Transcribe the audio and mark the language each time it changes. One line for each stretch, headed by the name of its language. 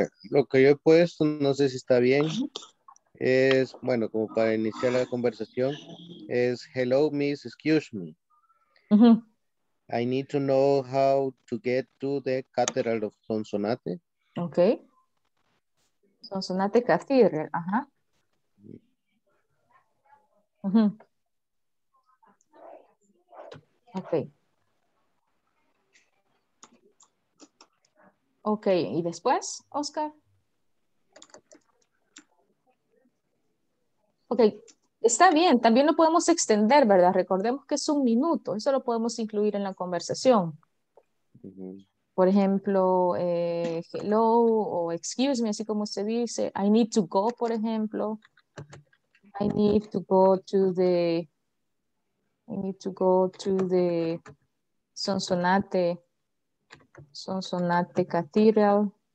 Spanish: Lo que yo he puesto, no sé si está bien, es, bueno, como para iniciar la conversación, es,
English: hello, miss, excuse me. I need to know how to get to the Cathedral of Sonsonate. Okay. Sonsonate Cathedral, ajá. Uh-huh. Okay.
Spanish: Okay, ¿y después, Oscar? Okay. Está bien, también lo podemos extender, ¿verdad? Recordemos que es un minuto, eso lo podemos incluir en la conversación. Por ejemplo, hello o
English: excuse me,
Spanish: así como se dice.
English: I need to go,
Spanish: por ejemplo.
English: I need to go to the Sonsonate Cathedral.